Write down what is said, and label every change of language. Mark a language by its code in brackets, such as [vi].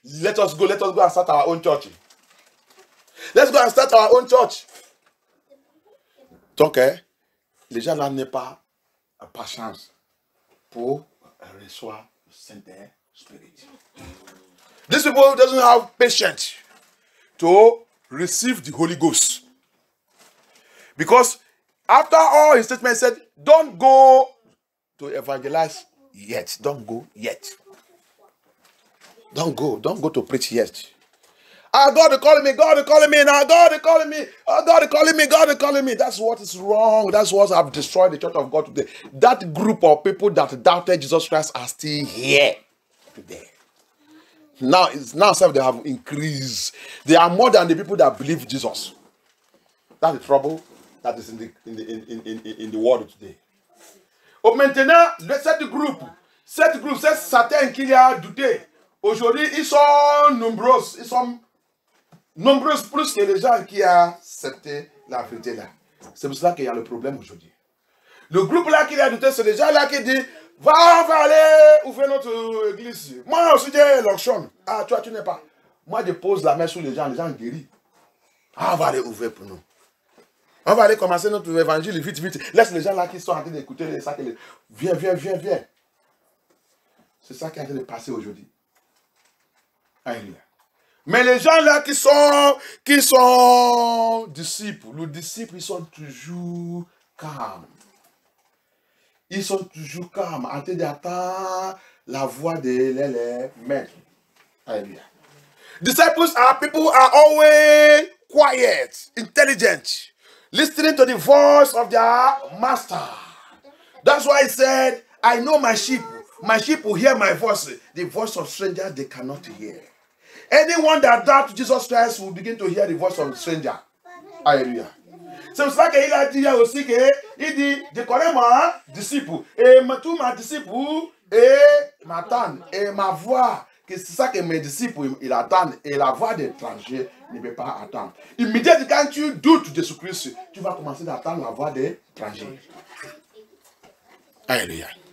[en] Let us go and start our own church. Let's go and start our own church. [fr] Donc, les gens là n'ont pas patience pour recevoir le Saint-Esprit. [en] These people doesn't have patience to receive the Holy Ghost. Because after all his statement said, don't go to evangelize yet. Don't go yet. Don't go to preach yet. Ah, God is calling me, God is calling me now, God is calling me. Oh, God is calling me, God is calling me. That's what is wrong. That's what have destroyed the church of God today. That group of people that doubted Jesus Christ are still here today. Now, it's now self they have increased. They are more than the people that believe Jesus. That's the trouble that is in the world today. [fr] Oh, maintenant, cette groupe, c'est certain qu'il y a douté. Aujourd'hui, ils sont nombreux plus que les gens qui acceptent la vérité là. C'est pour cela qu'il y a le problème aujourd'hui. Le groupe là qui a douté, c'est les gens là qui dit va aller ouvrir notre église. Moi aussi j'ai l'onction. Ah toi tu n'es pas. Moi je pose la main sur les gens guéris. Ah va aller ouvrir pour nous. On va aller commencer notre évangile vite vite. Laisse les gens là qui sont en train d'écouter ça que les... Viens. C'est ça qui est en train de passer aujourd'hui. Alléluia. Mais les gens là qui sont disciples, les disciples ils sont toujours calmes. Ils sont toujours calmes en train d'attendre la voix de leur maître. Alléluia. [en] Disciples are people are always quiet, intelligent, listening to the voice of their master. That's why he said, I know my sheep. My sheep will hear my voice. The voice of strangers they cannot hear. Anyone that doubts Jesus Christ will begin to hear the voice of a stranger. Alléluia. [fr] C'est pour ça qu'il a dit aussi que il dit, je connais ma disciple. Et tous mes disciples m'attendent. Et ma voix. C'est ça que mes disciples ils attendent. Et la voix d'étranger ne peut pas attendre. Immédiatement, quand tu doutes de Jésus-Christ, tu vas commencer d'attendre la voix d'étranger. Alléluia.